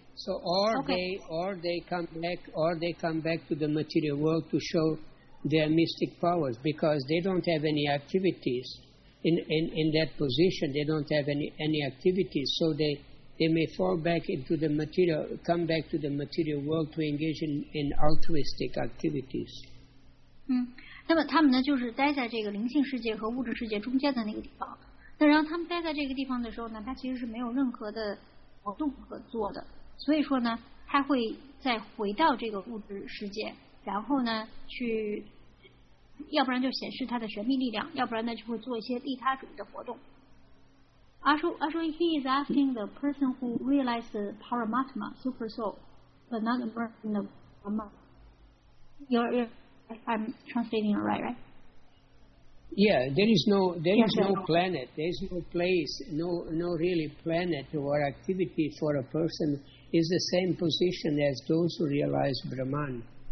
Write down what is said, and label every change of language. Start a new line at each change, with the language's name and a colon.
English: So they come back to the material world to show their mystic powers because they don't have any activities in that position. They don't have any activities. So they may fall back into the material, come back to the material world to engage in altruistic activities.
Chinese: 嗯，那么他们呢，就是待在这个灵性世界和物质世界中间的那个地方。那然后他们待在这个地方的时候呢，他其实是没有任何的活动可做的，所以说呢，他会再回到这个物质世界，然后呢，去，要不然就显示他的神秘力量，要不然呢就会做一些利他主义的活动。阿叔
English: ，He is asking the person who realized the Paramatma super soul, but not the person of Brahma. I'm translating it right? Yeah, there is no planet, there is no place, no really planet or activity for a person is the same position as those who realize Brahman.